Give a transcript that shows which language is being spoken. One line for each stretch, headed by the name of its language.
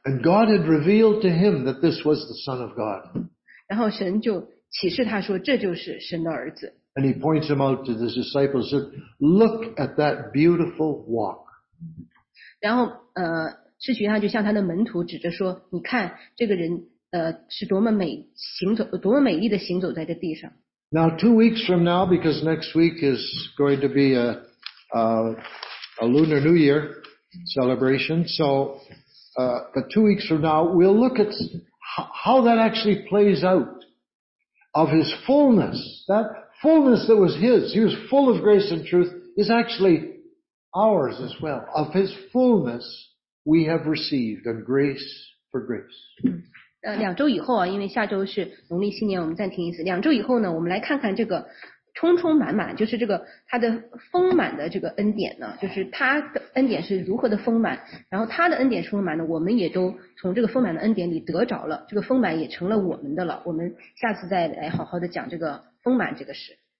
English: ，and God had revealed to him that this was the Son of God，
Chinese: 然后神就启示他说这就是神的儿子
English: ，and he points him out to the disciples and said, look at that beautiful walk。
Chinese: 然后使徒约翰就向他的门徒指着说，你看这个人是多么美行走，多么美丽的行走在这地上。
English: Now 2 weeks from now, because next week is going to be a Lunar New Year celebration. But 2 weeks from now, we'll look at how that actually plays out of his fullness. That fullness that was his, he was full of grace and truth, is actually ours as well. Of his fullness, we have received a grace for grace.
Chinese: 两周以后啊，因为下周是农历新年，我们暂停一次。两周以后呢，我们来看看这个充充满满，就是这个他的丰满的这个恩典呢，就是他的恩典是如何的丰满，然后他的恩典充满呢，我们也都从这个丰满的恩典里得着了，这个丰满也成了我们的了。我们下次再来好好的讲这个丰满这个事。